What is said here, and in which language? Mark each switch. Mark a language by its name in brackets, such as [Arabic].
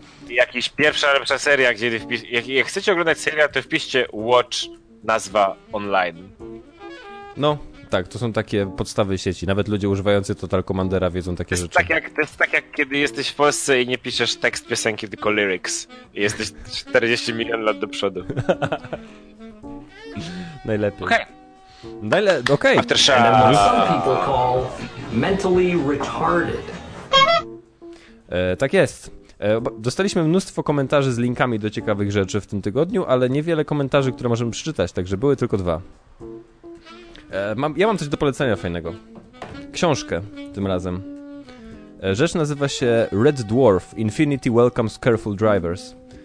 [Polish] Jakiś pierwsza lepsza seria, gdzie jak chcecie oglądać serial, to wpiszcie watch nazwa online. No, tak, to są takie podstawy sieci. Nawet ludzie używający Total Commandera wiedzą takie rzeczy. To jest tak jak kiedy jesteś w Polsce i nie piszesz tekst piosenki, tylko lyrics. I jesteś 40 milion lat do przodu. Najlepiej. Okej. Okej. [English] Some people call mentally retarded. [Polish] Tak jest. Dostaliśmy mnóstwo komentarzy z linkami do ciekawych rzeczy w tym tygodniu, ale niewiele komentarzy, które możemy przeczytać, także były tylko dwa. Ja mam coś do polecenia fajnego. Książkę tym razem. Rzecz nazywa się Red Dwarf, Infinity Welcomes Careful Drivers.